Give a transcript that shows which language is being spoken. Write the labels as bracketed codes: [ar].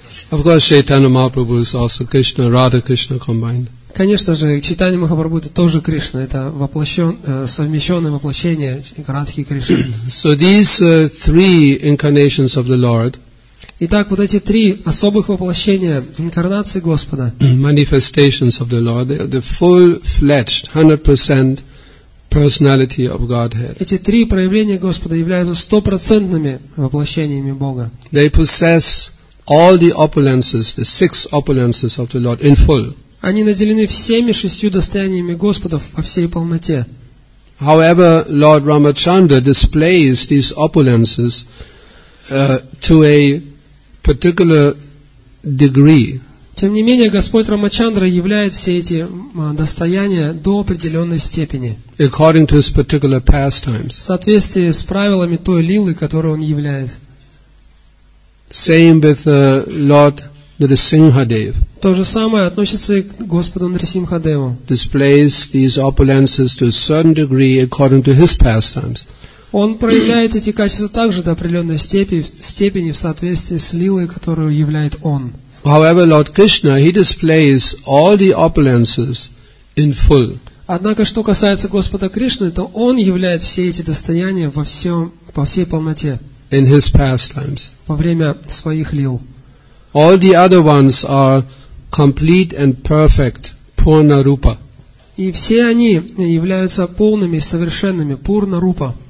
[en] Of course, Chaitanya Mahaprabhu is also Krishna, Radha Krishna combined. [ru] Конечно же, Чайтанья Махапрабху это тоже Кришна, это совмещенное воплощение Радхи и Кришны. [en] So these three incarnations of the Lord. [ru] Итак, вот эти три особых воплощения инкарнации Господа. [en] Manifestations of the Lord, they are the full-fledged, 100% personality of Godhead. [ru] Эти три проявления Господа являются стопроцентными воплощениями Бога. [en] They possess all the opulences, the six opulences of the Lord in full. [ru] Они наделены всеми шестью достояниями Господа во всей полноте. [en] However, Lord Ramachandra displays these opulences to a particular degree. [ru] Тем не менее, Господь Рамачандра являет все эти достояния до определенной степени. [en] According to his particular pastimes. [ru] В соответствии с правилами той лилы, которую он являет. [en] Same with Lord Нрисимхадев. [ru] То же самое относится и к Господу Нрисимхадеву. [en] Displays these opulences to a certain degree according to his pastimes. [ru] Он проявляет эти качества также до определенной степени в соответствии с лилой, которую являет он. [en] However, Lord Krishna, he displays all the opulences in full. [ru] Однако, что касается Господа Кришны, то он являет все эти достояния во всей полноте. [en] in his pastimes. [ru] Во время своих лил. [en] All the other ones are complete and perfect Purna Rupa. [ru] И все они являются полными и совершенными Purna Rupa.